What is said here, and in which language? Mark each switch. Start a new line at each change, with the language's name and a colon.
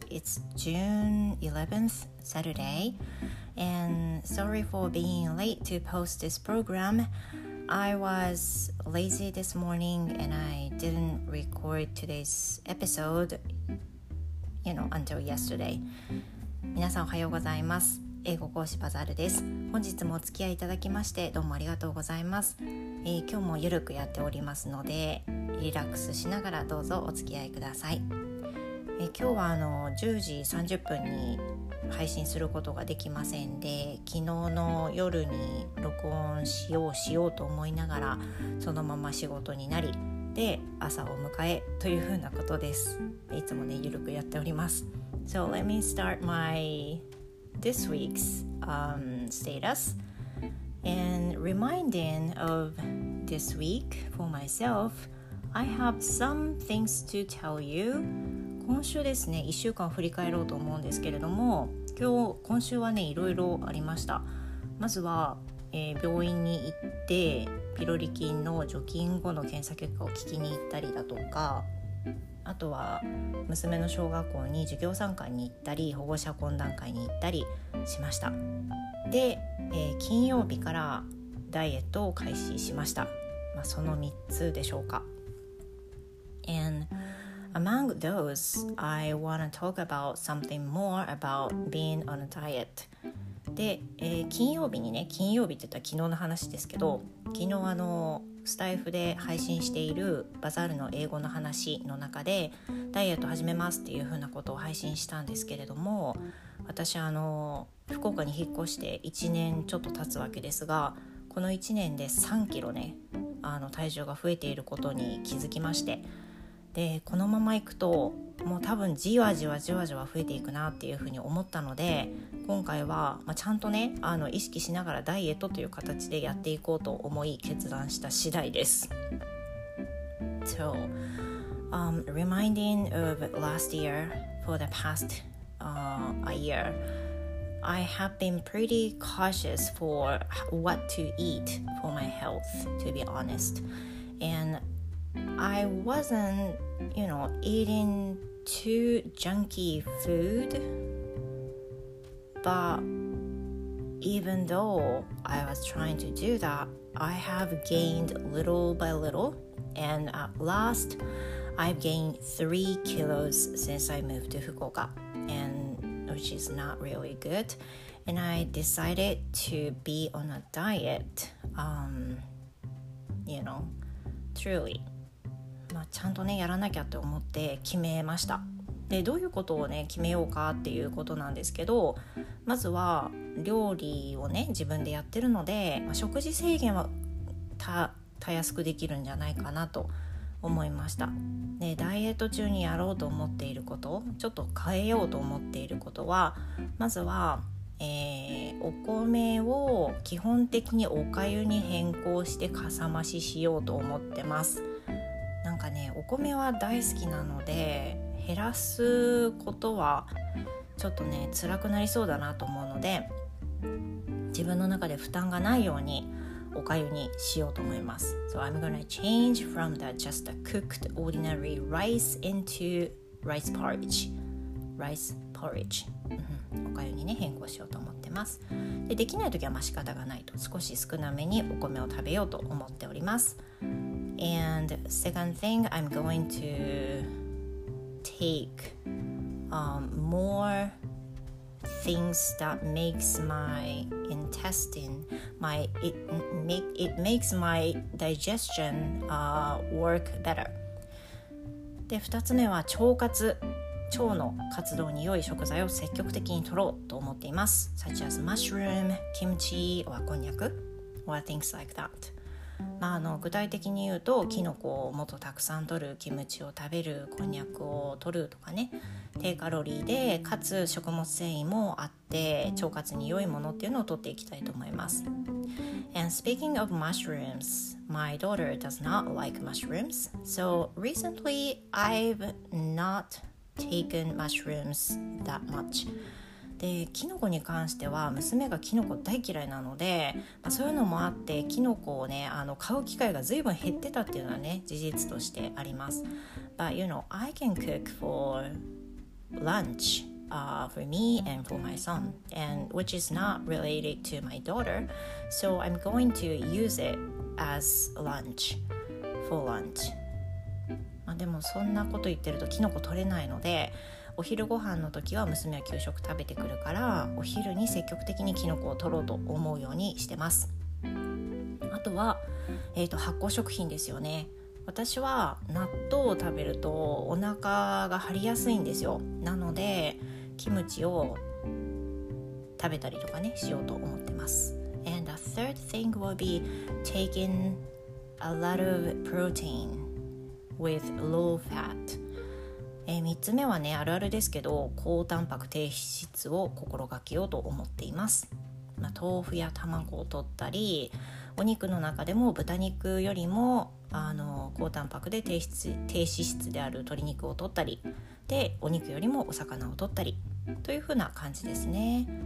English: It's June 11th, Saturday, and sorry for being late to post this program. I was lazy this morning and I didn't record today's episode, until yesterday.
Japanese: 皆さんおはようございます。英語講師バザールです。本日もお付き合いいただきましてどうもありがとうございます。今日もゆるくやっておりますのでリラックスしながらどうぞお付き合いください。今日は10時30分に配信することができませんで、昨日の夜に録音しようと思いながらそのまま仕事になりで朝を迎えというふうなことです。いつもねゆるくやっております。
English: So let me start my this week's status and reminding of this week for myself. I have some things to tell you.
Japanese: 今週ですね、1週間振り返ろうと思うんですけれども、今週はね、いろいろありました。まずは、病院に行ってピロリ菌の除菌後の検査結果を聞きに行ったりだとか、あとは娘の小学校に授業参観に行ったり保護者懇談会に行ったりしました。で、金曜日からダイエットを開始しました、まあ、その3つでしょうか。
English: And among those, I want to talk about something more about being on a diet.
Japanese: で、金曜日にね、金曜日って言ったら昨日の話ですけど、昨日スタイフで配信しているバザールの英語の話の中でダイエット始めますっていうふうなことを配信したんですけれども、私福岡に引っ越して1年ちょっと経つわけですが、この1年で3キロね、体重が増えていることに気づきまして、でこのままいくともう多分じわじわじわじわ増えていくなっていうふうに思ったので、今回は、まあ、ちゃんとね意識しながらダイエットという形でやっていこうと思い決断した次第です。
English: So, reminding of last year for the past a year, I have been pretty cautious for what to eat for my health, to be honest. And I wasn't, eating too junky food. But even though I was trying to do that, I have gained little by little. And at last, I've gained 3 kilos since I moved to Fukuoka. And which is not really good. And I decided to be on a diet, truly.
Japanese: まあ、ちゃんとねやらなきゃって思って決めました。でどういうことをね決めようかっていうことなんですけど、まずは料理をね自分でやってるので、まあ、食事制限はたやすくできるんじゃないかなと思いました。でダイエット中にやろうと思っていること、ちょっと変えようと思っていることは、まずは、お米を基本的にお粥に変更してかさ増ししようと思ってます。なんかね、お米は大好きなので減らすことはちょっとね辛くなりそうだなと思うので、自分の中で負担がないようにお粥にしようと思います。
English: So I'm gonna change from the just cooked ordinary rice into rice porridge. Rice porridge.
Japanese: お粥にね変更しようと思ってます。できない時はまあ仕方がないと、少し少なめにお米を食べようと思っております。
English: And second thing, I'm going to take more things that makes my intestine, makes my digestion work better.
Japanese: で、二つ目は腸活、腸の活動に良い食材を積極的に取ろうと思っています。
English: Such as mushroom, kimchi, or こんにゃく, or things like that.
Japanese: まあ、具体的に言うと、キノコをもっとたくさん取る、キムチを食べる、こんにゃくを取るとかね、低カロリーでかつ食物繊維もあって腸活に良いものっていうのを取っていきたいと思います。
English: And speaking of mushrooms, my daughter does not like mushrooms. So recently I've not taken mushrooms that much.
Japanese: で、キノコに関しては娘がキノコ大嫌いなので、まあ、そういうのもあってキノコをね買う機会が随分減ってたっていうのはね事実としてあります。
English: But you know, I can cook for lunch、for me and for my son, and which is not related to my daughter, so I'm going to use it as lunch, for lunch.
Japanese: まあでもそんなこと言ってるとキノコ取れないので、お昼ご飯の時は娘は給食食べてくるから、お昼に積極的にキノコを取ろうと思うようにしてます。あとは、発酵食品ですよね。私は納豆を食べるとお腹が張りやすいんですよ。なのでキムチを食べたりとかねしようと思ってます。
English: And the third thing will be taking a lot of protein with low fat。
Japanese: 3つ目はねあるあるですけど、高タンパク低脂質を心がけようと思っています。まあ、豆腐や卵を取ったり、お肉の中でも豚肉よりも高タンパクで低脂質である鶏肉を取ったりで、お肉よりもお魚を取ったりというふうな感じですね。